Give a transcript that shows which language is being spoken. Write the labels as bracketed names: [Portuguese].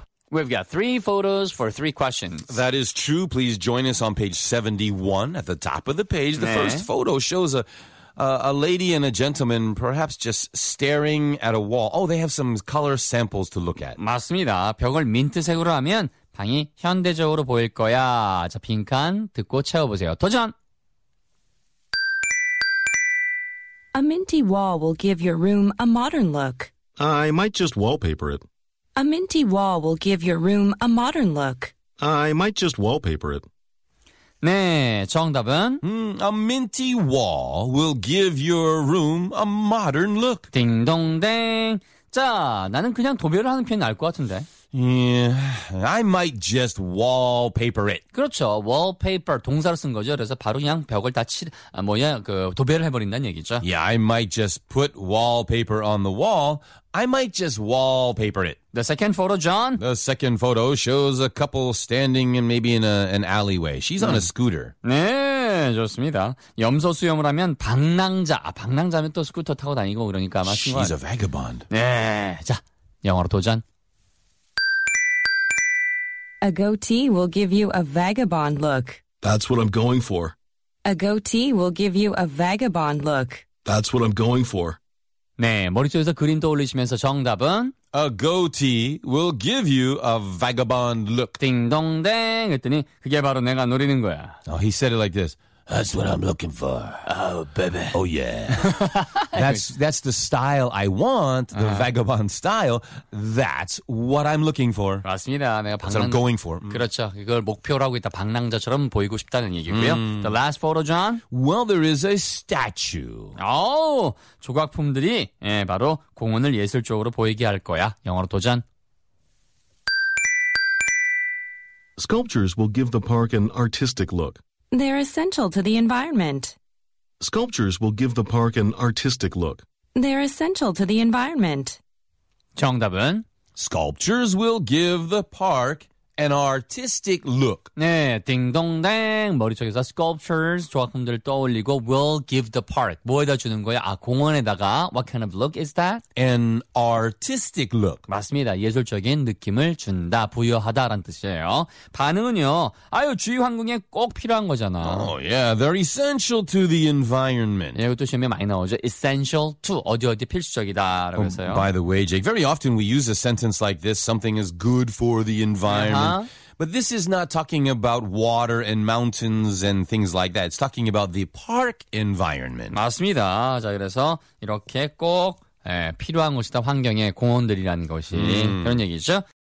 [English] We've got three photos for three questions. That is true. Please join us on page 71 at the top of the page. The [Korean] 네. [English] first photo shows a lady and a gentleman perhaps just staring at a wall. Oh, they have some color samples to look at. [Korean] 맞습니다. 벽을 민트색으로 하면 방이 현대적으로 보일 거야. 자, 빈칸 듣고 채워보세요. 도전! [English] A minty wall will give your room a modern look. I might just wallpaper it. A minty wall will give your room a modern look. I might just wallpaper it. [Korean] 네, 정답은? [English] A minty wall will give your room a modern look. [Korean] 딩동댕. 자, 나는 그냥 도배를 하는 편이 나을 것 같은데. [English] Yeah, I might just wallpaper it. [Korean] 그렇죠. Wallpaper 동사로 쓴 거죠. 그래서 바로 그냥 벽을 다 칠, 아, 뭐냐 그 도배를 해버린다는 얘기죠. [English] Yeah, I might just put wallpaper on the wall. I might just wallpaper it. The second photo, John. The second photo shows a couple standing in maybe in an alleyway. She's on a scooter. [Korean] 네, 좋습니다. 염소 수염을 하면 방랑자. 아, 방랑자면 또 스쿠터 타고 다니고 그러니까 아마 친구가. [English] She's a vagabond. [Korean] 네, 자 영어로 도전. [English] A goatee will give you a vagabond look. That's what I'm going for. A goatee will give you a vagabond look. That's what I'm going for. [Korean] 네, 머릿속에서 그림 떠올리시면서 정답은? [English] A goatee will give you a vagabond look. [Korean] 딩동댕 했더니 그게 바로 내가 노리는 거야. [English] Oh, he said it like this. That's what I'm looking for. Oh, baby. Oh, yeah. That's the style I want, the vagabond style. That's what I'm looking for. [Korean] 맞습니다. 내가 [English] 방랑... That's what I'm going for. [Korean] 그렇죠. 이걸 목표로 하고 있다. 방랑자처럼 보이고 싶다는 얘기고요. [English] The last photo, John. Well, there is a statue. [Korean] Oh, 조각품들이 예, 바로 공원을 예술적으로 보이게 할 거야. 영어로 도전. [English] Sculptures will give the park an artistic look. They're essential to the environment. Sculptures will give the park an artistic look. They're essential to the environment. [Korean] 정답은? [English] Sculptures will give the park an artistic look. [Korean] 네, 딩동댕. 머릿속에서 sculptures, 조각품들 떠올리고 [English] will give the park. [Korean] 뭐에다 주는 거야? 아, 공원에다가. [English] What kind of look is that? An artistic look. [Korean] 맞습니다. 예술적인 느낌을 준다, 부여하다라는 뜻이에요. 반응은요. 아유, 주위환경에 꼭 필요한 거잖아. [English] Oh, yeah. They're essential to the environment. [Korean] 네, 이것도 시험에 많이 나오죠. [English] Essential to. [Korean] 어디 필수적이다. 라고 oh, 했어요. [English] By the way, Jake, very often we use a sentence like this. Something is good for the environment. But this is not talking about water and mountains and things like that. It's talking about the park environment. [Korean] 맞습니다. 자, 그래서 이렇게 꼭 예, 필요한 곳이다. 환경의 공원들이라는 것이 그런 얘기죠.